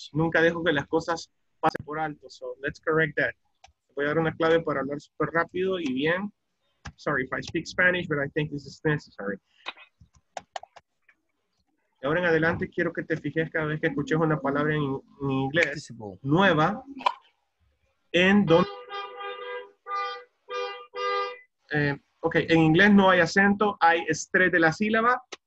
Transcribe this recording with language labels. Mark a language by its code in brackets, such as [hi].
[es] Nunca dejo que las cosas pasen por alto. [en] So let's correct that. [es] Voy a dar una clave para hablar súper rápido y bien. [en] Sorry if I speak Spanish, but I think this is necessary. [es] Y ahora en adelante quiero que te fijes cada vez que escuches una palabra en inglés nueva. En donde. Ok, en inglés no hay acento, hay estrés de la sílaba.